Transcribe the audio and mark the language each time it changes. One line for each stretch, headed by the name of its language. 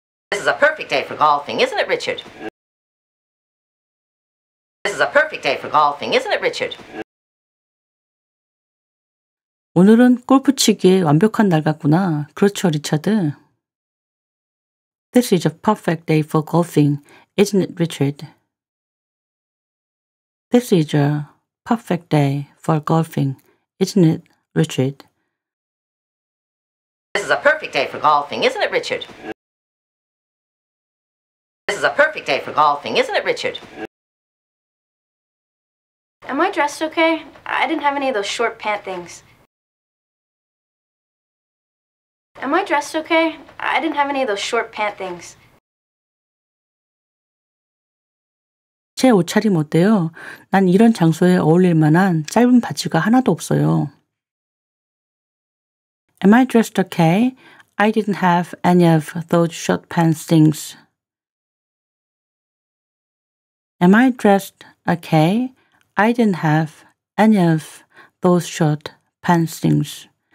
English: This is a perfect day for golfing, isn't it, Richard? This is a perfect day for golfing, isn't it, Richard?
Korean: 오늘은 골프 치기에 완벽한 날 같구나. 그렇죠, 리처드?
English: This is a perfect day for golfing, isn't it, Richard? This is a perfect day for golfing, isn't it, Richard? This is a perfect day for golfing, isn't it, Richard? This is a perfect day for golfing, isn't it, Richard? Am I dressed okay? I didn't have any of those short pant things. Am I dressed okay? I didn't have any of those short pant things.
Korean: 제 옷차림 어때요? 난 이런 장소에 어울릴 만한 짧은 바지가 하나도 없어요.
English: Am I dressed okay? I didn't have any of those short pants things. Am I dressed okay? I didn't have any of those short pants things.